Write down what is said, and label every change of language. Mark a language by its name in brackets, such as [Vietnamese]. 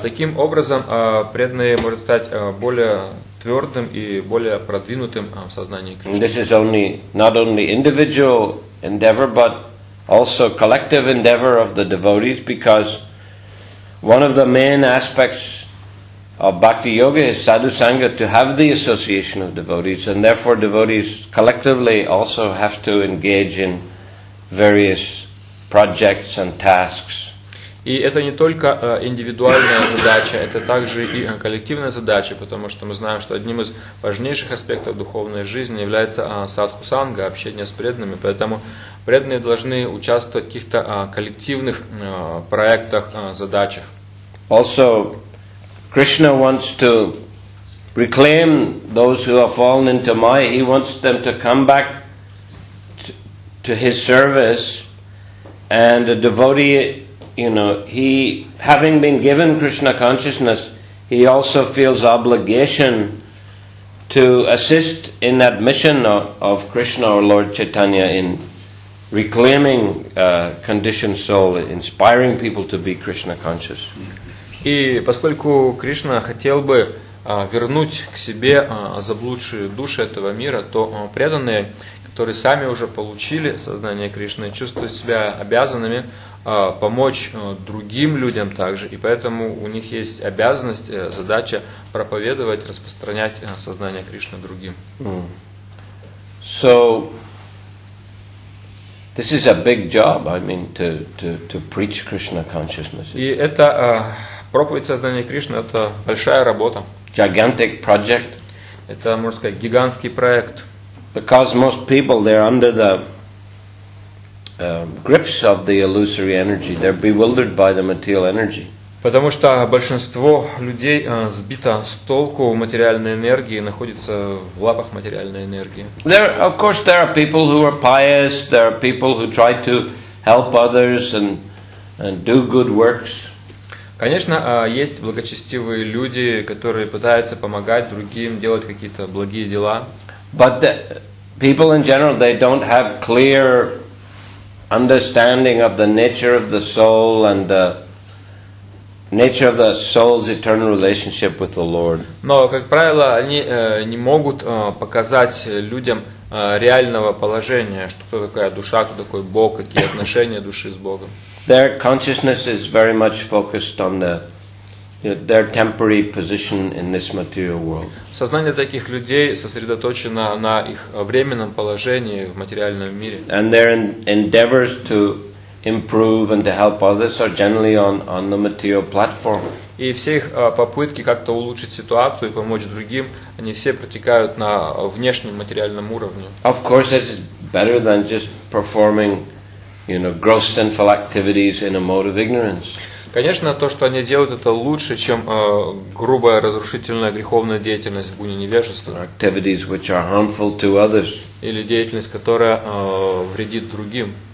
[Russian] Таким образом преданный может стать более твердым и более продвинутым в сознании Кришны. [English] This is only not only individual endeavor, but also collective endeavor of the devotees, because one of the main aspects of bhakti yoga is sadhu sangha, to have the association of devotees, and therefore devotees collectively also have to engage in various projects and tasks. [Russian] И это не только индивидуальная задача, это также и коллективная задача, потому что мы знаем, что одним из важнейших аспектов духовной жизни является садху-санга, общение с преданными. Поэтому преданные должны участвовать в каких-то коллективных проектах, задачах. [English] Also, Krishna wants to reclaim those who have fallen into Maya. He wants them to come back to his service, and a devotee, you know, he, having been given Krishna consciousness, he also feels obligation to assist in that mission of Krishna or Lord Chaitanya in reclaiming conditioned soul, inspiring people to be Krishna conscious. [Russian] И поскольку Кришна хотел бы вернуть к себе заблудшие души этого мира, то преданные, которые сами уже получили сознание Кришны, чувствуют себя обязанными помочь другим людям также, и поэтому у них есть обязанность, задача проповедовать, распространять сознание Кришны другим. [English] So this is a big job, I mean, to preach Krishna consciousness. [Russian] И это проповедь сознания Кришны — это большая работа. [English] Gigantic project. [Russian] Это, можно сказать, гигантский проект. [English] Because most people, they're under the grips of the illusory energy, they're bewildered by the material energy. [Russian] Потому что большинство людей сбито с толку материальной энергии, находится в лапах материальной энергии. [English] There, of course, there are people who are pious. There are people who try to help others and do good works. [Russian] Конечно, есть благочестивые люди, которые пытаются помогать другим, делать какие-то благие дела. [English] But the people in general, they don't have clear understanding of the nature of the soul and the nature of the soul's eternal relationship with the Lord. [Russian] Но, как правило, они не могут показать людям реального положения, что такое душа, кто такой Бог, какие отношения души с Богом. [English] Their consciousness is very much focused on the, you know, their temporary position in this material world. [Russian] Сознание таких людей сосредоточено на их временном положении в материальном мире. [English] And their endeavors to improve and to help others are generally on the material platform. [Russian] И все их попытки как-то улучшить ситуацию и помочь другим, они все протекают на внешнем материальном уровне. [English] Of course, it's better than just performing, you know, gross sinful activities in a mode of ignorance. [Russian] Конечно, то, что они делают, это лучше, чем грубая разрушительная греховная деятельность в гуне невежества. Или деятельность, которая вредит другим.